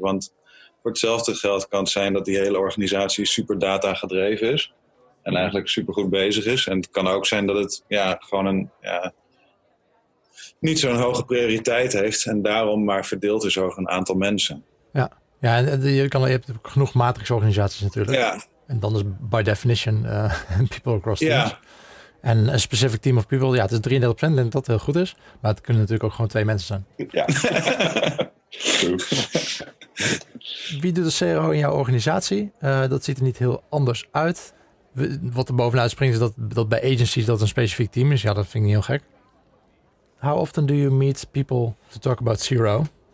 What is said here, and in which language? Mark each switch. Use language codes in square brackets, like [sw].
[nl] Want voor hetzelfde geld kan het zijn dat die hele organisatie super data gedreven is. En eigenlijk super goed bezig is. En het kan ook zijn dat het niet zo'n hoge prioriteit heeft. En daarom maar verdeeld is over een aantal mensen. Ja, ja, en je hebt genoeg matrix organisaties natuurlijk. Ja. En dan is [en] by definition people across teams. [nl] Ja. En een [en] specific team of people, [nl] ja, het is 33%, denk ik dat heel goed is. Maar het kunnen natuurlijk ook gewoon twee mensen zijn. Ja. Wie doet de CRO in jouw organisatie? Dat ziet er niet heel anders uit. Wat er bovenuit springt is dat bij agencies dat een specifiek team is. Ja, dat vind ik niet heel gek. [en] How often do you meet people to talk about CRO?